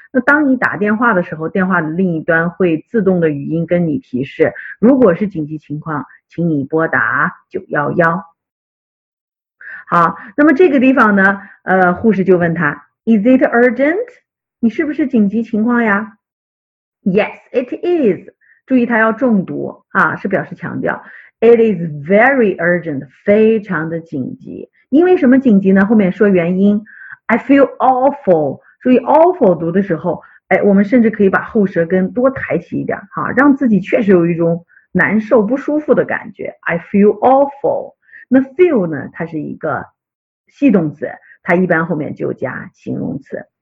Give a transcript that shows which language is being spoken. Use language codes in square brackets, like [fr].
[zh] 那当你打电话的时候，电话的另一端会自动的语音跟你提示，如果是紧急情况，请你拨打911。好，那么这个地方呢，护士就问他 ， [en] Is it urgent? [zh] 你是不是紧急情况呀？ [en] Yes, it is. [zh] 注意它要重读啊，是表示强调。 [en] It is very urgent, [zh] 非常的紧急。因为什么紧急呢？后面说原因。 [en] I feel awful. [zh] 注意 awful 读的时候，哎，我们甚至可以把后舌根多抬起一点哈，让自己确实有一种难受不舒服的感觉。 [en] I feel awful. 那 feel 呢？ [zh] 它是一个系动词，它一般后面就加形容词。